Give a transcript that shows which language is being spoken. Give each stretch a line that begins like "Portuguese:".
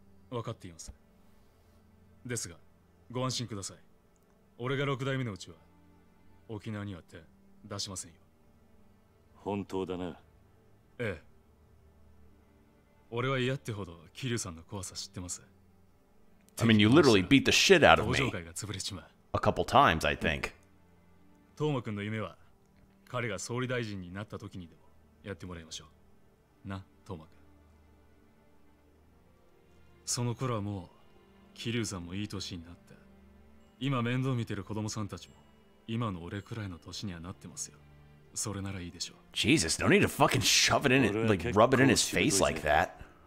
Japanese: 分かっています。ですが、ご安心ください。俺が六代目のうちは沖縄には手出しませんよ。本当だな。ええ、俺は嫌ってほどキリュウさんの怖さ知ってます。
English: I mean, you literally beat the shit out of me a couple times, I think.
Japanese: トーマ君の夢は彼が総理大臣になった時にでもやってもらいましょうな。トーマ君、その頃はもうキリュウさんもいい年になって、今面倒見てる子供さんたちも今の俺くらいの年にはなってますよ。それならいいでしょう。
English: Jesus, don't need to fucking shove it in it, like rub it in his face like that.